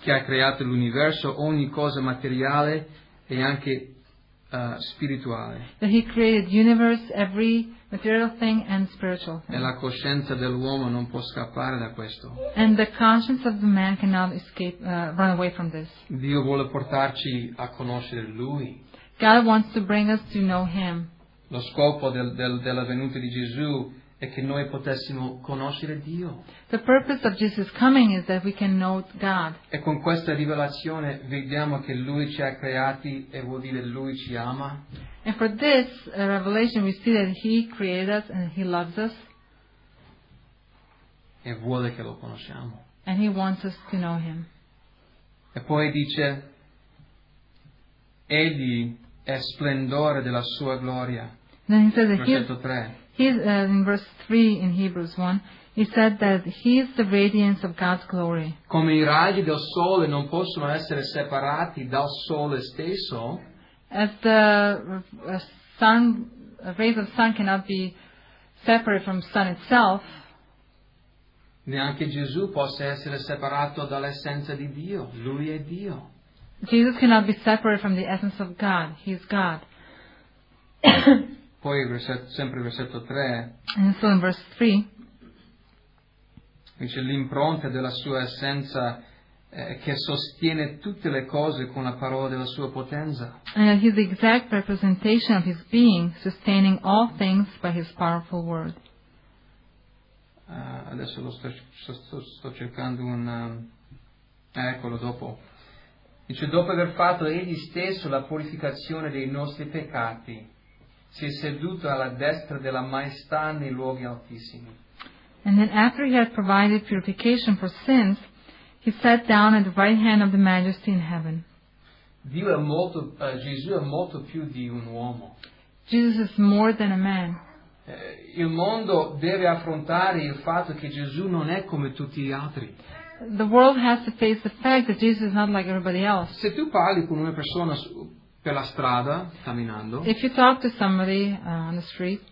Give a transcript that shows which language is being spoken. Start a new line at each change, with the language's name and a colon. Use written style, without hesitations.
Italian: Che ha creato l'universo, ogni cosa materiale e anche spirituale.
English: That he created universe, every material thing and spiritual thing.
Italian: E la coscienza dell'uomo non può scappare da questo.
English: And the conscience of the man cannot escape, run away from this.
Italian: Dio vuole portarci a conoscere Lui.
English: God wants to bring us to know Him.
Italian: Lo scopo della venuta di Gesù è che noi potessimo conoscere Dio.
English: The purpose of Jesus coming is that we can know God.
Italian: E con questa rivelazione vediamo che Lui ci ha creati e vuol dire Lui ci ama.
English: And for this revelation we see that He created us and He loves us.
Italian: E vuole che lo conosciamo.
English: And He wants us to know Him.
Italian: E poi dice Egli è splendore della sua gloria.
English: Then he says in verse 3 in Hebrews 1, he said that he is the radiance of God's glory.
Italian: Come i raggi del sole non possono essere separati dal sole stesso.
English: As the sun, rays of sun cannot be separate from sun itself.
Italian: Neanche Gesù possa essere separato dall'essenza di Dio. Lui è Dio.
English: Jesus cannot be separated from the essence of God. He is God.
Italian: Poi, sempre versetto 3.
English: And so in verse 3.
Italian: Dice l'impronta della sua essenza che sostiene tutte le cose con la parola della sua potenza.
English: And he is the exact representation of his being, sustaining all things by his powerful word.
Italian: Adesso lo sto cercando un... eccolo dopo. Dice, dopo aver fatto Egli stesso la purificazione dei nostri peccati, si è seduto alla destra della Maestà nei luoghi altissimi.
English: And then after He had provided purification for sins, He sat down at the right hand of the Majesty in heaven.
Italian: Dio è molto, Gesù è molto più di un uomo.
English: Jesus is more than a man.
Italian: Il mondo deve affrontare il fatto che Gesù non è come tutti gli altri.
English: The world has to face the fact that Jesus is not like everybody else.
Italian: Se tu parli con una persona per la strada, camminando,
English: if you talk to somebody on the street,